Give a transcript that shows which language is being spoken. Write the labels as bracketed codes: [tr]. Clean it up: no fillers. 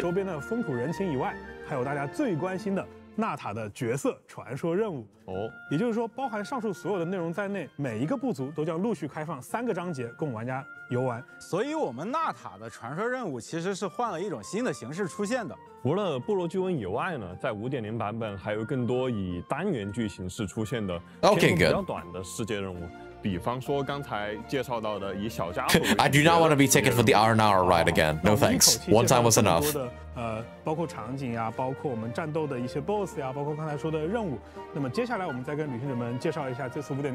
[zh] 周边的风土人情以外，还有大家最关心的纳塔的角色传说任务。哦，也就是说，包含上述所有的内容在内，每一个部族都将陆续开放三个章节供玩家游玩。所以，我们纳塔的传说任务其实是换了一种新的形式出现的。除了部落巨文以外呢，在 5.0 版本还有更多以单元剧情式出现的、 [en] okay, [zh] 篇幅比较短的世界任务，比方说刚才介绍到的以小家伙为。 [en] I do not want to be taken for the R&R ride again. No thanks. One time was enough. [zh] 包括场景呀，包括我们战斗的一些 boss 呀，包括刚才说的任务。那么接下来我们再跟旅行者们介绍一下这次 5.0